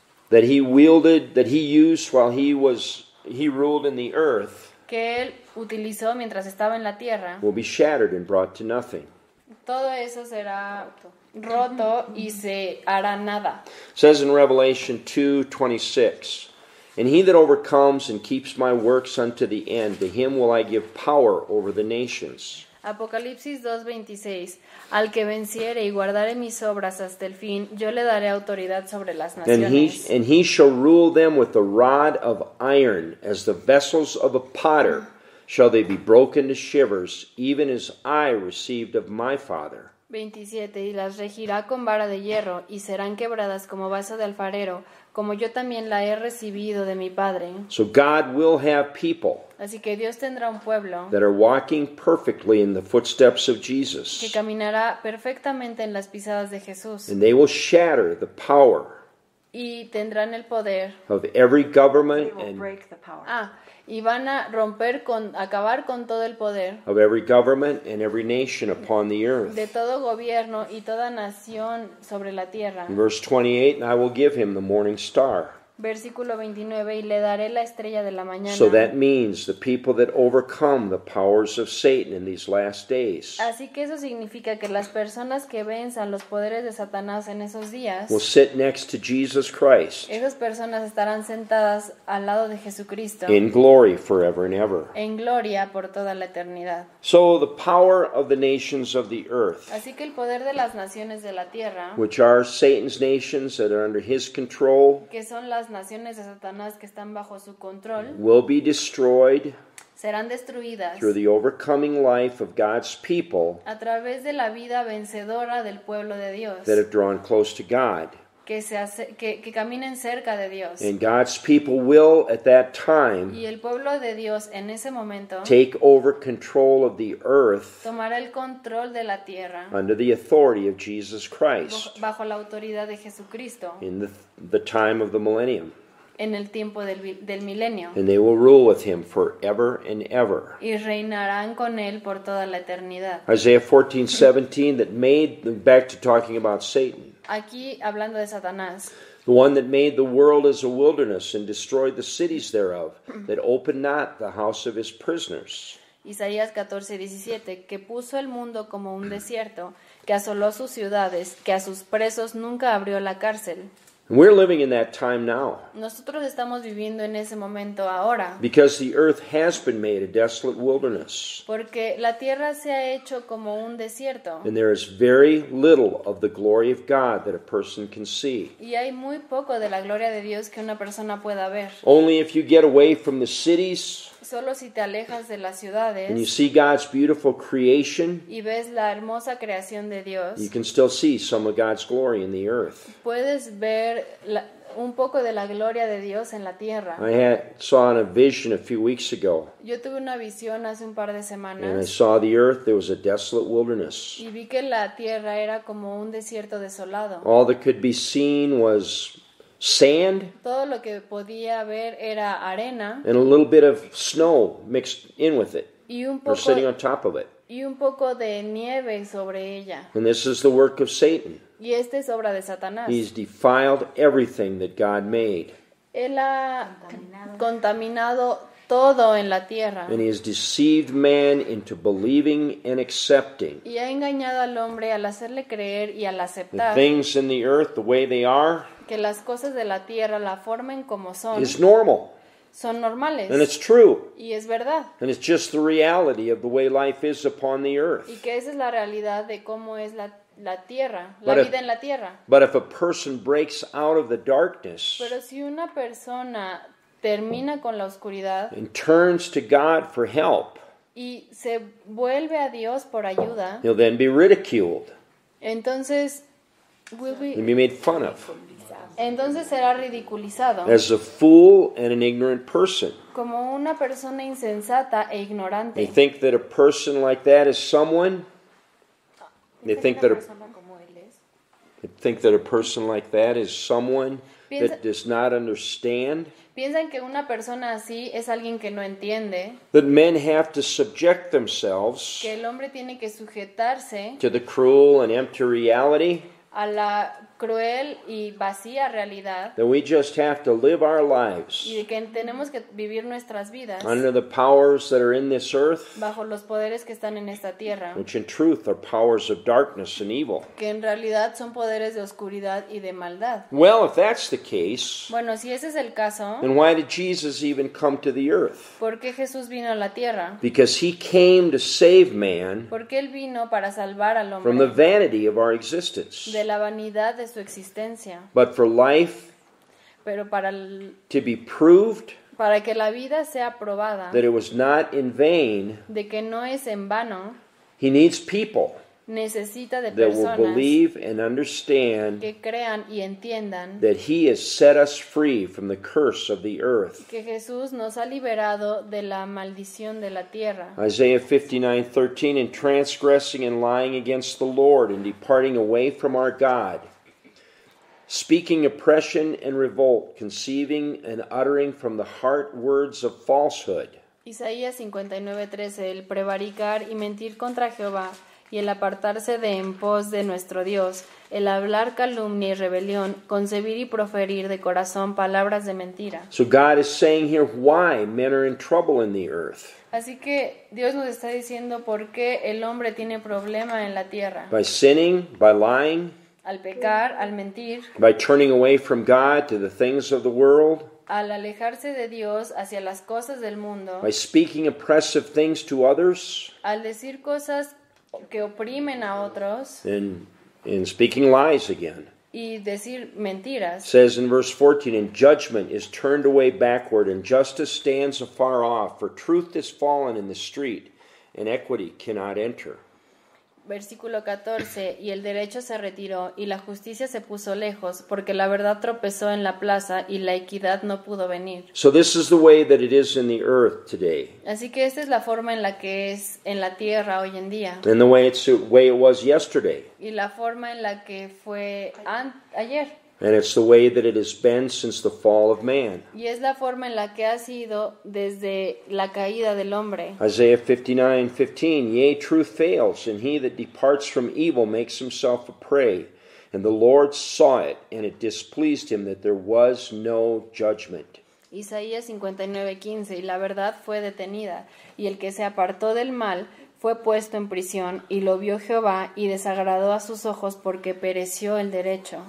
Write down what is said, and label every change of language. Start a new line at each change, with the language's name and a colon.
English: That he wielded, that he used while he ruled in the earth,
Spanish: que él utilizó mientras estaba en la tierra,
English: will be shattered and brought to nothing.
Spanish: Todo eso será roto y se hará nada.
English: Says in Revelation 2:26, and he that overcomes and keeps my works unto the end, to him will I give power over the nations.
Spanish: Apocalipsis 2:26. Al que venciere y guardare mis obras hasta el fin, yo le daré autoridad sobre las naciones.
English: And he shall rule them with a rod of iron, as the vessels of a potter shall they be broken to shivers, even as I received of my Father.
Spanish: 27. Y las regirá con vara de hierro, y serán quebradas como vaso de alfarero, como yo también la he recibido de mi Padre.
English: So God will have people.
Spanish: Así que Dios tendrá un pueblo.
English: That are walking perfectly in the footsteps of Jesus.
Spanish: Que caminará perfectamente en las pisadas de Jesús.
English: And they will shatter the power.
Spanish: y tendrán el poder
English: of every government and break the power.
Spanish: Y van a romper con acabar con todo el poder
English: of every government and every nation upon the earth.
Spanish: De todo gobierno y toda nación sobre la tierra.
English: Verse 28, and I will give him the morning star.
Spanish: Versículo 29, y le daré la estrella de la mañana.
English: So that means the people that overcome the powers of Satan in these last days.
Spanish: Así que eso significa que las personas que venzan los poderes de Satanás en esos días
English: will sit next to Jesus Christ.
Spanish: Esas personas estarán sentadas al lado de Jesucristo.
English: In glory forever and ever.
Spanish: En gloria por toda la eternidad.
English: So the power of the nations of the earth.
Spanish: Así que el poder de las naciones de la tierra,
English: which are Satan's nations that are under his control,
Spanish: que son las naciones de Satanás que están bajo su control,
English: will be destroyed,
Spanish: serán destruidas,
English: through the overcoming life of God's people,
Spanish: a través de la vida vencedora del pueblo de Dios,
English: that have drawn close to God,
Spanish: que caminen cerca de Dios.
English: And God's people will at that time,
Spanish: y el pueblo de Dios en ese momento,
English: take over control of the earth,
Spanish: tomará el control de la tierra,
English: under the authority of Jesus Christ,
Spanish: bajo la autoridad de Jesucristo,
English: in the time of the millennium,
Spanish: en el tiempo del milenio.
English: And they will rule with him forever and ever.
Spanish: Y reinarán con él por toda la eternidad.
English: Isaiah 14:17 that made back to talking about Satan.
Spanish: Aquí hablando de Satanás.
English: The one that made the world as a wilderness and destroyed the cities thereof, that opened not the house of his prisoners.
Spanish: Isaías 14:17, que puso el mundo como un desierto, que asoló sus ciudades, que a sus presos nunca abrió la cárcel.
English: We're living in that time now.
Spanish: Nosotros estamos viviendo en ese momento ahora.
English: Because the earth has been made a desolate wilderness.
Spanish: Porque la tierra se ha hecho como un desierto.
English: And there is very little of the glory of God that a person can see.
Spanish: Y hay muy poco de la gloria de Dios que una persona pueda ver.
English: Only if you get away from the cities.
Spanish: Solo si te alejas de las ciudades.
English: And you see God's beautiful creation.
Spanish: Y ves la hermosa creación de Dios.
English: You can still see some of God's glory in the earth.
Spanish: Puedes ver un poco de la gloria de Dios en la tierra.
English: I saw a vision a few weeks ago.
Spanish: Yo tuve una visión hace un par de semanas.
English: And I saw the earth, there was a desolate wilderness.
Spanish: Y vi que la tierra era como un desierto desolado.
English: All that could be seen was sand.
Spanish: Todo lo que podía ver era arena.
English: And a little bit of snow mixed in with it.
Spanish: Y un poco,
English: or sitting on top of it.
Spanish: Y un poco de nieve sobre ella.
English: And this is the work of Satan.
Spanish: Y esta es obra de Satanás.
English: He's defiled everything that God made.
Spanish: Él ha contaminado todo en la tierra.
English: And he has deceived man into believing and accepting.
Spanish: Y ha engañado al hombre al hacerle creer y al aceptar.
English: The things in the earth, the way they are,
Spanish: que las cosas de la tierra la formen como son.
English: It's normal.
Spanish: Son normales.
English: And it's true.
Spanish: Y es verdad.
English: And it's just the reality of the way life is upon the earth.
Spanish: Y que esa es la realidad de cómo es la tierra, vida en la tierra.
English: But if a person breaks out of the darkness,
Spanish: pero si una persona termina con la oscuridad,
English: and turns to God for help,
Spanish: y se vuelve a Dios por ayuda,
English: he'll then be ridiculed.
Spanish: Entonces,
English: he'll be made fun of.
Spanish: Entonces será ridiculizado.
English: As a fool and an ignorant person.
Spanish: Como una persona insensata e ignorante.
English: They think that a person like that is someone. They think that a person like that is someone that does not understand.
Spanish: Piensan que una persona así es alguien que no entiende.
English: That men have to subject themselves.
Spanish: Que el hombre tiene que sujetarse.
English: To the cruel and empty reality.
Spanish: A la cruel y vacía realidad.
English: That we just have to live our lives.
Spanish: Y que tenemos que vivir nuestras vidas.
English: Under the powers that are in this earth.
Spanish: Bajo los poderes que están en esta tierra.
English: Which in truth are powers of darkness and evil.
Spanish: Que en realidad son poderes de oscuridad y de maldad.
English: Well, if that's the case.
Spanish: Bueno, si ese es el caso.
English: Then why did Jesus even come to the earth?
Spanish: ¿Por qué Jesús vino a la tierra?
English: Because he came to save man.
Spanish: Porque él vino para salvar al hombre.
English: From the vanity of our existence.
Spanish: De la vanidad de su existencia.
English: But for life,
Spanish: pero para
English: to be proved,
Spanish: para que la vida sea probada,
English: that it was not in vain,
Spanish: de que no es en vano,
English: he needs people,
Spanish: necesita de
English: that
Spanish: personas,
English: will believe and understand,
Spanish: que crean y entiendan,
English: that he has set us free from the curse of the earth,
Spanish: que Jesús nos ha liberado de la maldición de la tierra.
English: Isaiah 59:13, in transgressing and lying against the Lord and departing away from our God, speaking oppression and revolt, conceiving and uttering from the heart words of falsehood.
Spanish: Isaías 59:13, el prevaricar y mentir contra Jehová, y el apartarse de en pos de nuestro Dios, el hablar calumnia y rebelión, concebir y proferir de corazón palabras de mentira.
English: So God is saying here why men are in trouble in the earth.
Spanish: Así que Dios nos está diciendo por qué el hombre tiene problema en la tierra.
English: By sinning, by lying.
Spanish: Al pecar, al mentir.
English: By turning away from God to the things of the world.
Spanish: Al alejarse de Dios hacia las cosas del mundo.
English: By speaking oppressive things to others.
Spanish: Al decir cosas que oprimen a otros.
English: And speaking lies again.
Spanish: Y decir mentiras.
English: It says in verse 14, and judgment is turned away backward, and justice stands afar off, for truth is fallen in the street, and equity cannot enter.
Spanish: Versículo 14, y el derecho se retiró, y la justicia se puso lejos, porque la verdad tropezó en la plaza, y la equidad no pudo venir.
English: So this is the way that it is in the earth today.
Spanish: Así que esta es la forma en la que es en la tierra hoy en día.
English: And the way, it's the way it was yesterday.
Spanish: Y la forma en la que fue ayer.
English: And it's the way that it has been since the fall of man.
Spanish: Y es la forma en la que ha sido desde la caída del hombre.
English: Isaiah 59:15, yea, truth fails, and he that departs from evil makes himself a prey. And the Lord saw it, and it displeased him that there was no judgment.
Spanish: Isaías 59:15, y la verdad fue detenida, y el que se apartó del mal fue puesto en prisión, y lo vio Jehová, y desagradó a sus ojos, porque pereció el derecho.